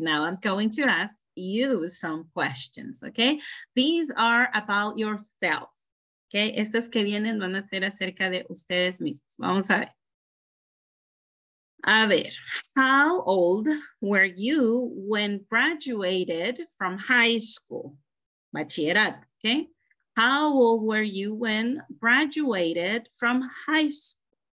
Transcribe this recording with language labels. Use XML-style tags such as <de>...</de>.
<en>Now I'm going to ask you some questions, okay? These are about yourself, okay?</en> <es>Estas que vienen van a ser acerca de ustedes mismos. Vamos a ver. A ver,</es> <en>how old were you when graduated from high school? Bachillerato, okay? How old were you when graduated from high school?</en>